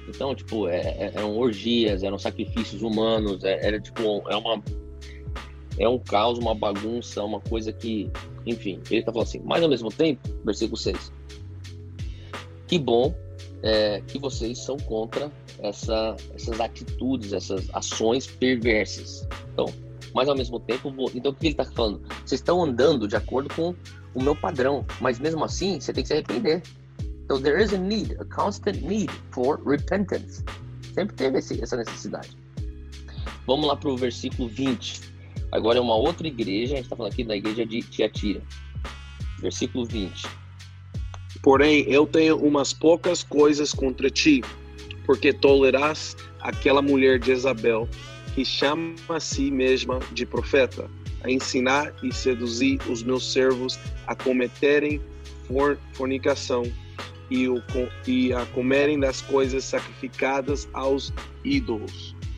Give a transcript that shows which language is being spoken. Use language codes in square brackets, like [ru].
[pt] Então, tipo, eram orgias, eram sacrifícios humanos, era tipo, é um caos, uma bagunça, uma coisa que, enfim, ele tá falando assim, mas ao mesmo tempo, versículo 6, que bom que vocês são contra essas atitudes, essas ações perversas. Então, mas ao mesmo tempo, então o que ele tá falando? Vocês estão andando de acordo com o meu padrão, mas mesmo assim, você tem que se arrepender. Então, [en] there is a need, a constant need for repentance. [pt] Sempre teve essa necessidade. Vamos lá pro versículo 20. Agora é uma outra igreja, a gente está falando aqui da igreja de Tiatira. Versículo 20. Porém, eu tenho umas poucas coisas contra ti, porque toleras aquela mulher de Jezabel, que chama a si mesma de profeta, a ensinar e seduzir os meus servos a cometerem fornicação e a comerem das coisas sacrificadas aos ídolos.